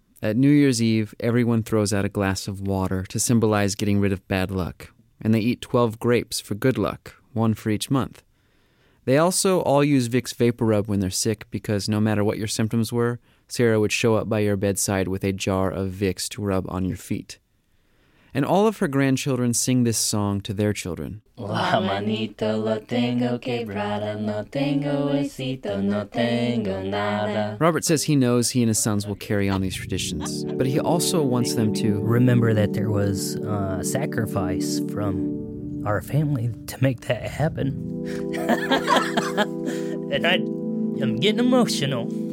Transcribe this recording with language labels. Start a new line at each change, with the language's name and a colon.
English: At New Year's Eve, everyone throws out a glass of water to symbolize getting rid of bad luck, and they eat 12 grapes for good luck, one for each month. They also all use Vicks VapoRub when they're sick because no matter what your symptoms were, Sarah would show up by your bedside with a jar of Vicks to rub on your feet. And all of her grandchildren sing this song to their children.
Spanish: La manito lo tengo quebrada, no tengo huesito, no tengo nada.
English: Robert says he knows he and his sons will carry on these traditions, but he also wants them to remember that there was sacrifice from our family to make that happen. And I'm getting emotional.